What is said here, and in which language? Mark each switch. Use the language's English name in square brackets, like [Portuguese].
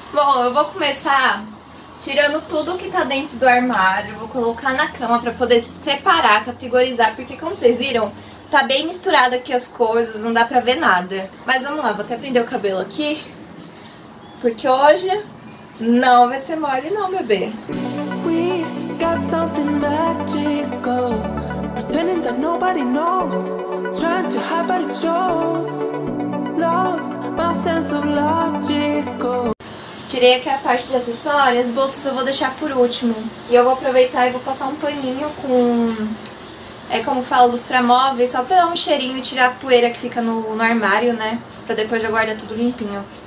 [Portuguese] Bom, eu vou começar tirando tudo que tá dentro do armário, vou colocar na cama pra poder separar, categorizar, porque como vocês viram, tá bem misturado aqui as coisas, não dá pra ver nada. Mas vamos lá, vou até prender o cabelo aqui, porque hoje não vai ser mole não, bebê. [English] Got something magical, pretending that nobody knows, trying to hide but it shows, lost my sense of logical. [Portuguese] Tirei aqui a parte de acessórios, bolsas eu vou deixar por último. E eu vou aproveitar e vou passar um paninho com, é como fala, lustramóvel, só pra dar um cheirinho e tirar a poeira que fica no armário, né? Pra depois eu guardar tudo limpinho.